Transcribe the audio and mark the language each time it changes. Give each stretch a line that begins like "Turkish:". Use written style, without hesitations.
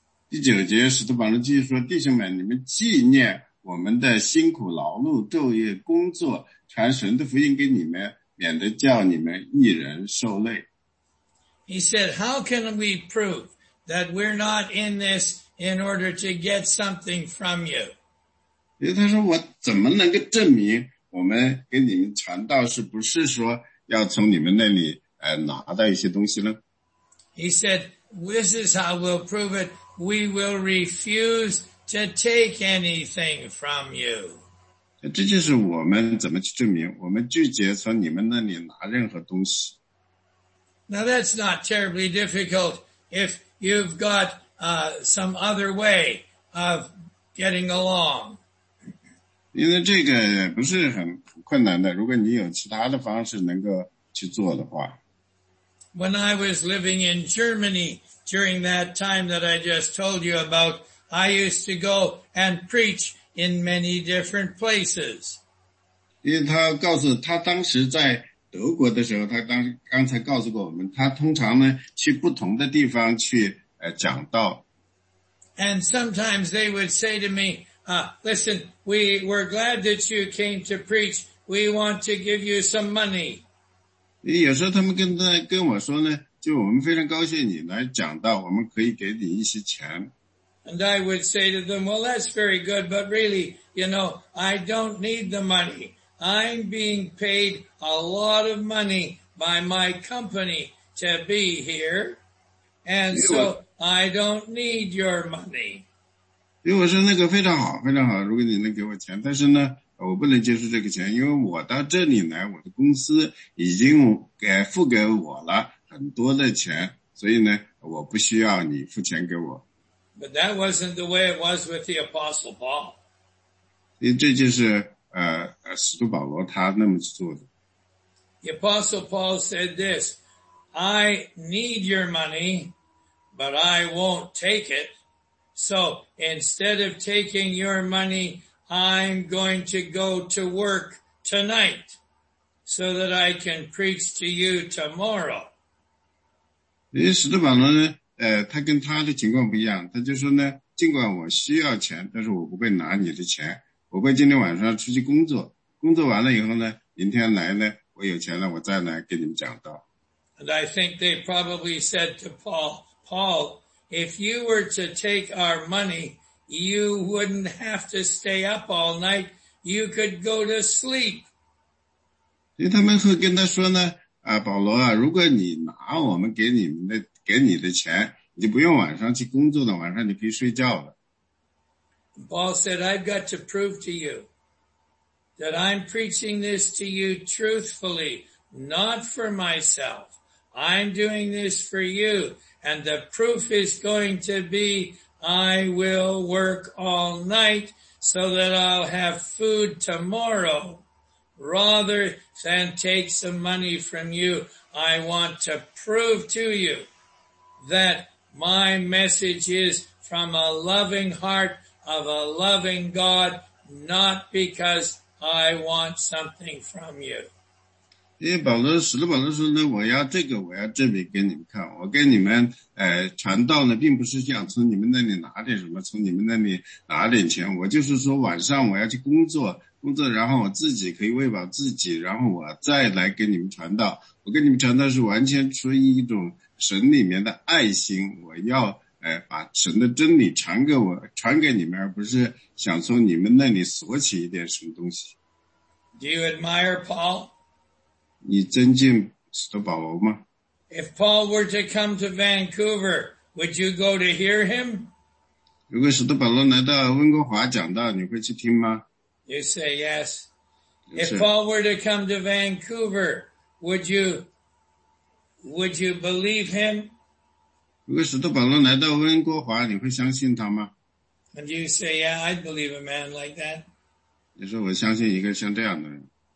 Chinese: 第九节使徒保罗继续说弟兄们你们纪念我们的辛苦劳碌昼夜工作传神的福音给你们免得叫你们一人受累。
English: He said, how can we prove that we're not in this in order to get something from you?
Chinese: 因为他说我怎么能够证明我们给你们传道是不是说要从你们那里拿到一些东西呢？
English: He said, this is how we'll prove it. We will refuse to take anything from you.
Chinese: 这就是我们怎么去证明，我们拒绝从你们那里拿任何东西。
English: Now that's not terribly difficult if you've got some other way of getting along.
Chinese: 因为这个不是很困难的，如果你有其他的方式能够去做的话。
English: When I was living in Germany during that time that I just told you about, I used to go and preach in many different places.
Chinese: 因为他告诉他当时在德国的时候，他当刚才告诉过我们，他通常呢去不同的地方去讲道。
English: And sometimes they would say to me, listen, we were glad that you came to preach. We want to give you some money.
Chinese: 有时候他们跟我说呢，就我们非常高兴你来讲道，我们可以给你一些钱。
English: And I would say to them, well, that's very good, but really, you know, I don't need the money. I'm being paid a lot of money by my company to be here, and so I don't need your money.
Chinese: 因为我说那个非常好，非常好，如果你能给我钱，但是呢，我不能接受这个钱，因为我到这里来，我的公司已经给付给我了很多的钱，所以呢，我不需要你付钱给我。
English: But that wasn't the way it was with the Apostle Paul.
Chinese: 因为这就是使徒保罗他那么做的。
English: The Apostle Paul said this, I need your money, but I won't take it. So instead of taking your money, I'm going to go to work tonight so that I can preach to you tomorrow.
Chinese: 因为使徒保罗呢他跟他的情况不一样，他就说呢，尽管我需要钱，但是我不会拿你的钱，我会今天晚上出去工作，工作完了以后呢，明天来呢，我有钱了，我再来给你们讲道。
English: And I think they probably said to Paul, Paul, if you were to take our money, you wouldn't have to stay up all night, you could go to sleep.
Chinese: 所以他们会跟他说呢，保罗啊，如果你拿我们给你们的给你的钱，你就不用晚上去工作了，晚上你可以睡觉了。
English: Paul said, I've got to prove to you that I'm preaching this to you truthfully, not for myself. I'm doing this for you, and the proof is going to be I will work all night so that I'll have food tomorrow rather than take some money from you. I want to prove to you that my message is from a loving heart of a loving God, not because I want something from you.
Chinese: 因为保罗，使徒保罗说呢，我要这个，我要证明给你们看。我给你们传道呢，并不是想从你们那里拿点什么，从你们那里拿点钱。我就是说，晚上我要去工作，工作，然后我自己可以喂饱自己，然后我再来给你们传道。我给你们传道是完全出于一种神里面的爱心，我要把神的真理传给我，传给你们，而不是想从你们那里索取一点什么东西。
English: Do you admire Paul?
Chinese: 你尊敬使徒保罗吗？
English: If Paul were to come to Vancouver, would you go to hear him?
Chinese: 如果使徒保罗来到温哥华讲道，你会去听吗？
English: You say yes. If Paul were to come to Vancouver, would you believe him?
Chinese: 如果使徒保罗来到温哥华，你会相信他吗？
English: And you say, yeah, I'd believe a man like that.
Chinese: 你说我相信一个像这样的人。